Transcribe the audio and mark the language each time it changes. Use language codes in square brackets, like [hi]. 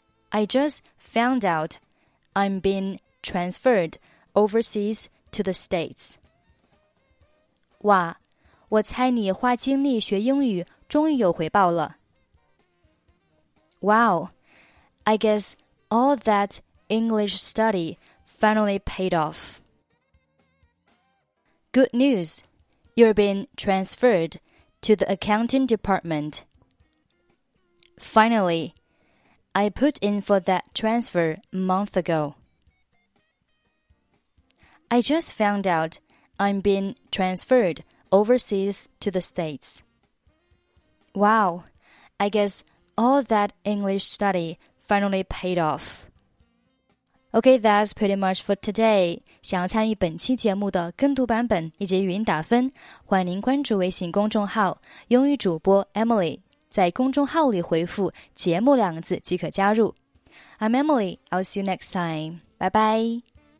[en] I just found out I'm being transferred overseas to the States. [zh] 哇，我猜你花精力学英语终于有回报了。 [en] Wow. I guess all that English study finally paid off. Good news, you're being transferred to the accounting department. Finally, I put in for that transfer a month ago. I just found out I'm being transferred overseas to the States. Wow, I guess all that English studyfinally paid off. Okay, that's pretty much for today. [zh] 想要参与本期节目的跟读版本以及语音打分，欢迎您关注微信公众号英语主播 Emily， 在公众号里回复节目两个字即可加入。 [en] I'm Emily, I'll see you next time. Bye bye.